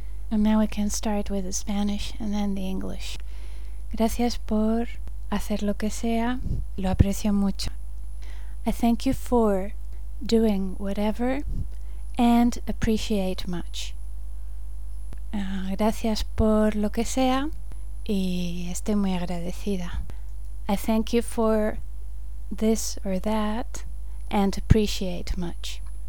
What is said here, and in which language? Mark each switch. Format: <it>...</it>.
<en>And now we can start with the Spanish and then the English.</en> <es>Gracias por hacer lo que sea. Lo aprecio mucho.</es> <en>I thank you for doing whatever and appreciate much.</en> <es>Gracias por lo que sea y estoy muy agradecida.</es> <en>I thank you for this or that and appreciate much.</en>